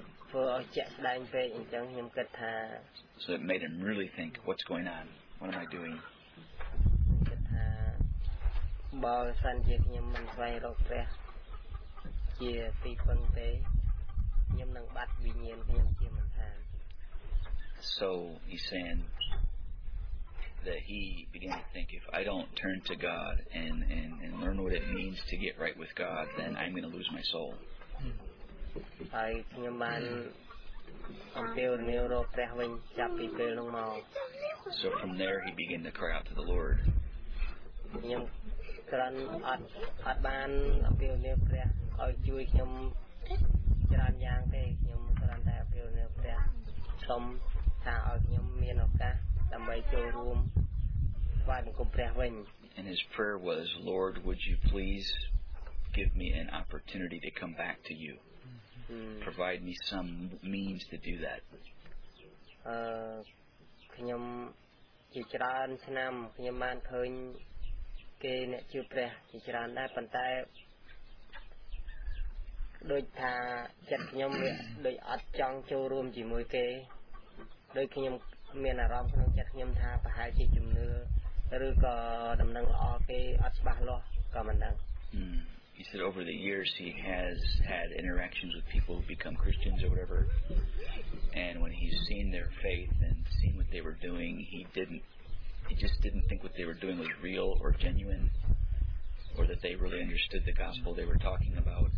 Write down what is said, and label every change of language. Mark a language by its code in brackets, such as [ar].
[km] ព្រោះអស់ជាក់ស្ដែងពេកអញ្ចឹងខ្ញុំគិតថា [en] So it made him really think, what's going on? What am I doing? [km] គិតថាបើសិនជាខ្ញុំមិនស្វែងរកព្រះជាទីពឹងទេខ្ញុំនឹងបាត់វិញ្ញាណខ្ញុំជាមិនខាន [en] So he's saying that he began to think, if I don't turn to God and learn what it means to get right with God, then I'm going to lose my soul. [km] ហើយខ្ញុំបានអំពាវនាវរកព្រះវិញចាប់ពីពេលនោះមក [en] So from there he began to cry out to the Lord [km] ខ្ញុំក្រានអត់បានអំពាវនាវព្រះឲ្យជួយខ្ញុំច្រើនយ៉ាងទេខ្ញុំក្រានតែអំពាវនាវព្រះសូមថាឲ្យខ្ញុំមានឱកាសដើម្បីចូលរួមស្វែងរកព្រះវិញ [en] And his prayer was Lord would you please give me an opportunity to come back to youprovide me some means to do that. [km] ខ្ញុំជាច្រើនឆ្នាំខ្ញុំបានឃើញគេអ្នកជឿព្រះជាច្រើនដែរប៉ុន្តែដូចថាចិត្តខ្ញុំវាដូចអត់ចង់ចូលរួមជាមួយគេដូចខ្ញុំមានអារម្មណ៍ក្នុងចិត្តខ្ញុំថាប្រហែលជាជំនឿឬក៏ដំណឹងល្អគេអត់ច្បាស់លាស់ក៏មិនដឹង [en] He said over the years he has had interactions with people who become Christians or whatever. And when he's seen their faith and seen what they were doing, he just didn't think what they were doing was real or genuine or that they really understood the gospel they were talking about.